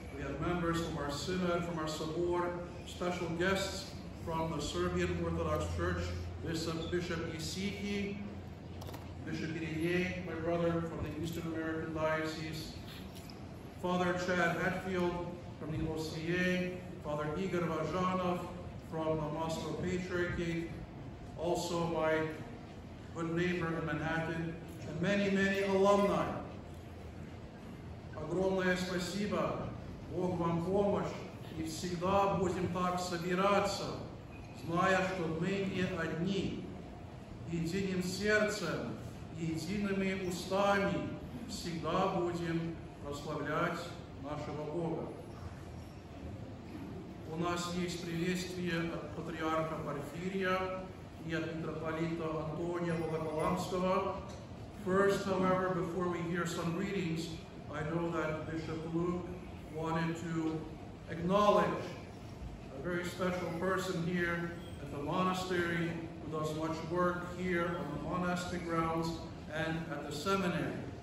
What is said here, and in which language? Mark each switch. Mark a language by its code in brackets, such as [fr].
[en] We have members from our synod, from our sabor, special guests from the Serbian Orthodox Church, Bishop Isiki, Bishop Irije, my brother from the Eastern American Diocese, Father Chad Hatfield from the OCA, Father Igor Vajanov from the Moscow Patriarchate, also my good neighbor in Manhattan, and many, many alumni. [ru] Огромное спасибо. Бог вам помощь. И всегда будем так собираться, зная, что мы не одни. Единым сердцем, едиными устами всегда будем прославлять нашего Бога. У нас есть приветствие от патриарха Порфирия и от митрополита Антония Богоколамского. [en] First, however, before we hear some greetings, I know that Bishop Luke wanted to acknowledge a very special person here at the monastery who does much work here on the monastic grounds and at the seminary.